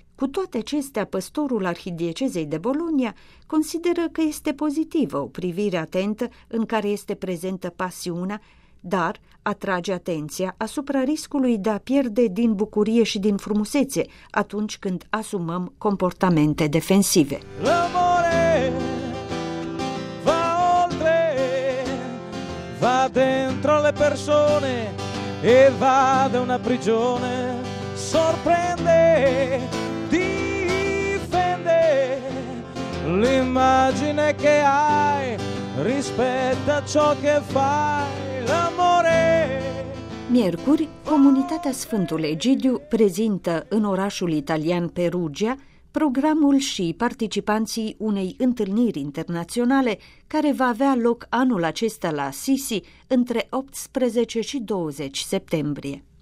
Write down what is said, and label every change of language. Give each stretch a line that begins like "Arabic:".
Romanian: Cu toate acestea, păstorul arhidiecezei de Bologna consideră că este pozitivă o privire atentă în care este prezentă pasiunea, dar atrage atenția asupra riscului de a pierde din bucurie și din frumusețe atunci când asumăm comportamente defensive.
Italian: L'amore va oltre, va dentro le persone e va da una prigione, sorprende. Difende l'immagine che hai, rispetta ciò che fai, l'amore.
Romanian: Miercuri, Comunitatea Sfântul Egidiu prezintă în orașul italian Perugia programul și participanții unei întâlniri internaționale care va avea loc anul acesta la Assisi între 18 și 20 septembrie.